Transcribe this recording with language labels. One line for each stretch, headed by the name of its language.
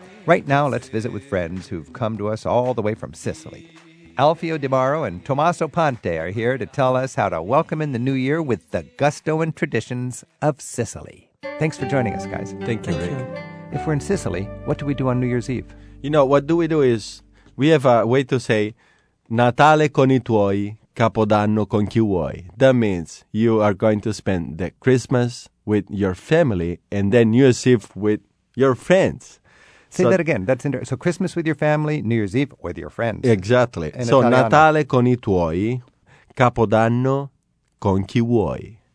English: Right now, let's visit with friends who've come to us all the way from Sicily. Alfio Di Mauro and Tommaso Ponte are here to tell us how to welcome in the new year with the gusto and traditions of Sicily. Thanks for joining us, guys. Thank you, Rick. If we're in Sicily, what do we do on New Year's Eve? You know, what do? Is we have a way to say
Italian: Natale con I tuoi, Capodanno con chi vuoi.
English: That means you are going to spend the Christmas with your family and then New Year's Eve with your friends. Say that again. That's interesting. So Christmas with your family, New Year's Eve with your friends. Exactly. So
Italian: Italiano. Natale con I tuoi, Capodanno con chi vuoi.